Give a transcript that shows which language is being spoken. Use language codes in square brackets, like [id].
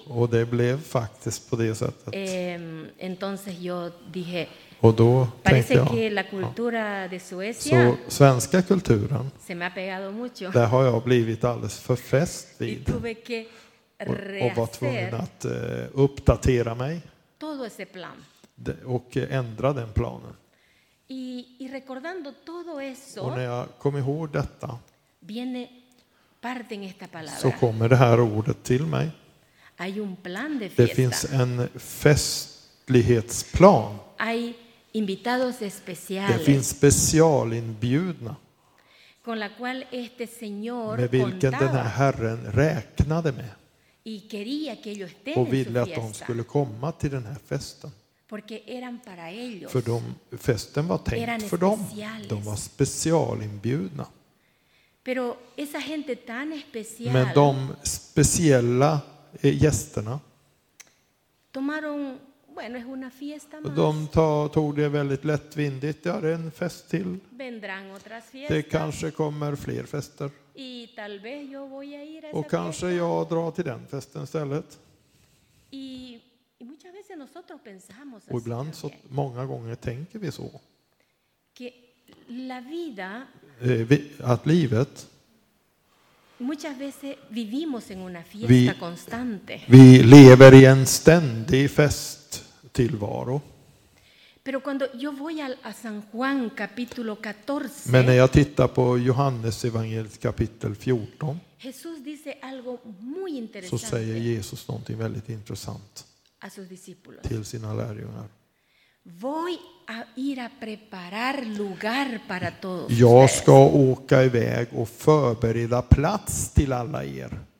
[sv] Och det blev faktiskt på det sättet. [es] Entonces yo dije, [sv] och då tänkte jag, [es] que la cultura de Suecia, [sv] så svenska kulturen, [es] se me ha pegado mucho. [sv] Där har jag blivit alldeles för fäst vid. [es] Y tuve que [sv] och var tvungen att uppdatera mig. [es] Todo ese plan. [sv] Och ändra den planen. [es] Y recordando todo eso, [sv] och när jag kom ihåg detta, [es] viene parte en esta palabra. [sv] Så kommer det här ordet till mig. [es] Hay un plan de fiesta. [sv] Det finns en festlighetsplan. [es] Hay invitados especiales. [sv] Det finns specialinbjudna. [es] Con la cual este señor [sv] med vilken [es] contaba. [sv] Den här herren räknade med. [es] Y quería que ellos estén [sv] och ville [es] en su [sv] att [es] fiesta. [sv] De skulle komma till den här festen. [es] Porque eran para ellos. [sv] För de, festen var tänkt [es] eran [sv] för [es] especiales. [sv] Dem. De var specialinbjudna. [es] Pero esa gente tan especial, [sv] men de speciella gästerna [es] tomaron, bueno, es una fiesta más. [sv] De tog det väldigt lättvindigt. Ja, det är en fest till. [es] Vendrán otras fiestas. [sv] Det kanske kommer fler fester. [es] Y tal vez yo voy a ir a [sv] och [es] esa [sv] kanske [es] fiesta. [sv] Jag drar till den festen istället. [es] Y muchas veces nosotros pensamos [sv] och ibland [es] así [sv] så många gånger tänker vi så. [es] Que la vida, [sv] att livet [es] muchas veces vivimos en una fiesta vi, constante. [sv] Vi lever i en ständig fest tillvaro. [es] Pero cuando yo voy a San Juan capítulo 14, [sv] men när jag tittar på Johannes evangeliet kapitel 14, [es] Jesús dice algo muy interesante. [sv] Så säger Jesus någonting väldigt intressant [es] a sus discípulos. [sv] Till sina lärjungar. [es] Voy a ir a preparar lugar para todos. [sv] Jag ska åka iväg och förbereda plats till alla er.